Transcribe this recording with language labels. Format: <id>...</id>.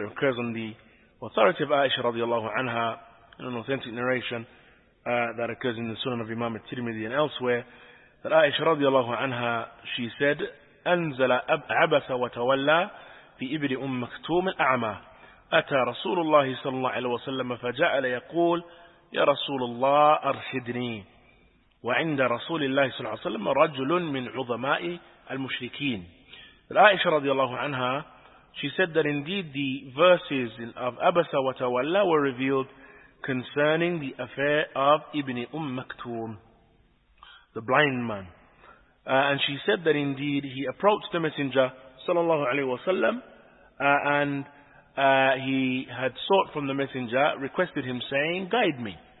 <en>It occurs on the authority of Aisha radiallahu anha in an authentic narration that occurs in the Sunan of Imam al-Tirmidhi and elsewhere, that Aisha radiallahu anha, she said,</en> <ar>Anzala abasa wa tawalla fi ibri maktoum al-a'ma. أتى رسول الله صلى الله عليه وسلم فجعل يقول يا رسول الله أرشدني وعند رسول الله صلى الله عليه وسلم رجل من عظماء المشركين. عائشة رضي الله عنها,</ar> <en>she said that indeed the verses of Abasa wa Tawalla were revealed concerning the affair of Ibn Maktoum, the blind man. And she said that indeed he approached the Messenger صلى الله عليه وسلم and he had sought from the Messenger, requested him saying, guide me.</en>